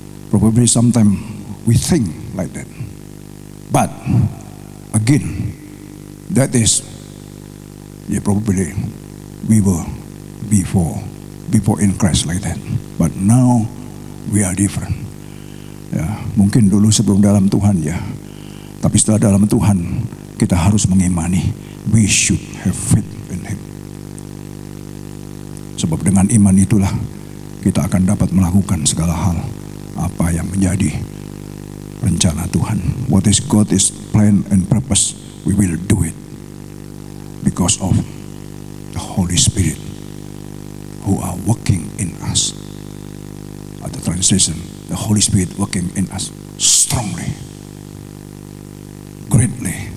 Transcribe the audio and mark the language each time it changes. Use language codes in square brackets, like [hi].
[en] Probably sometimes we think like that. But again, that is, yeah, probably we were before in Christ like that. But now we are different. [id] Ya, mungkin dulu sebelum dalam Tuhan ya. Tapi setelah dalam Tuhan, kita harus mengimani. [en] We should have faith in Him. [id] Sebab dengan iman itulah kita akan dapat melakukan segala hal apa yang menjadi rencana Tuhan. [en] What is God is plan and purpose, we will do it because of the Holy Spirit who are working in us. At the translation, the Holy Spirit working in us strongly, greatly.